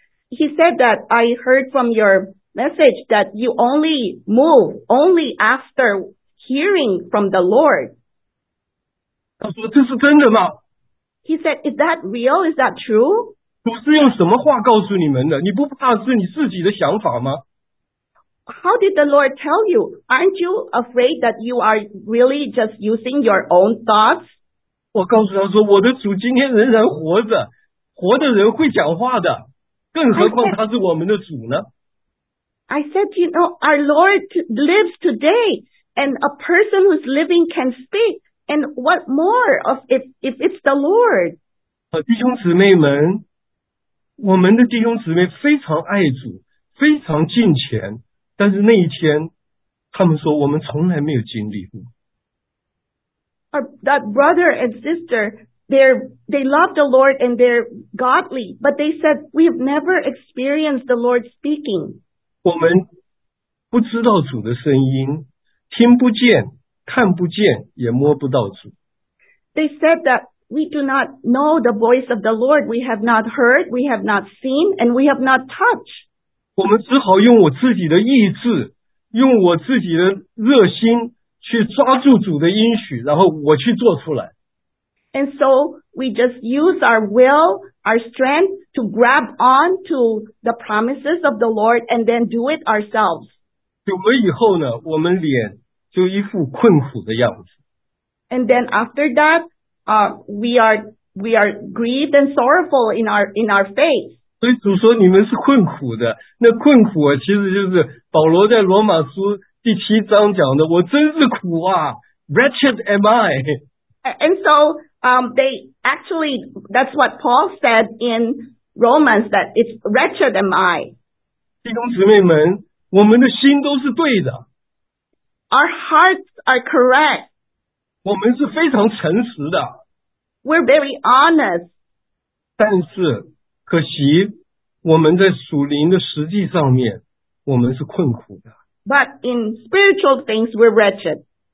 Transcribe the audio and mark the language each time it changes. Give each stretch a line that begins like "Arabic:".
English: He said that I heard from your message that you only move only after hearing from the Lord.
Chinese: 他说这是真的吗？
English: He said, is that real? Is that true?
Chinese: 主是用什么话告诉你们的？你不怕是你自己的想法吗？
English: How did the Lord tell you? Aren't you afraid that you are really just using your own thoughts?
Chinese: 我告诉他说，我的主今天仍然活着，活的人会讲话的。更何况他是我们的主呢？
English: I said, you know, our Lord lives today, and a person who's living can speak, and what more of if it's the Lord?
Chinese: 弟兄姊妹们，我们的弟兄姊妹非常爱主，非常敬虔，但是那一天，他们说我们从来没有经历过。
English: That brother and sister, they love the Lord and they're godly, but they said we have never experienced the Lord speaking.
Chinese: 我们不知道主的声音，听不见，看不见，也摸不到主。
English: They said that we do not know the voice of the Lord. We have not heard, we have not seen, and we have not touched.
Chinese: 我们只好用我自己的意志，用我自己的热心。去抓住主的应许，然后我去做出来。
English: And so we just use our will, our strength to grab on to the promises of the Lord and then do it ourselves.
Chinese: 久了以后呢，我们脸就一副困苦的样子。
English: And then after that, we are grieved and sorrowful in our face.
Chinese: 所以主说你们是困苦的，那困苦啊，其实就是保罗在罗马书。第七章讲的，我真是苦啊 ，
English: wretched am I. And so, they actually, that's what Paul said in Romans, that it's wretched am I.
Chinese: 弟兄姊妹们，我们的心都是对的。
English: Our hearts are correct.
Chinese: 我们是非常诚实的。
English: We're very honest.
Chinese: 但是，可惜我们在属灵的实际上面，我们是困苦的。
English: But in spiritual things, we're wretched.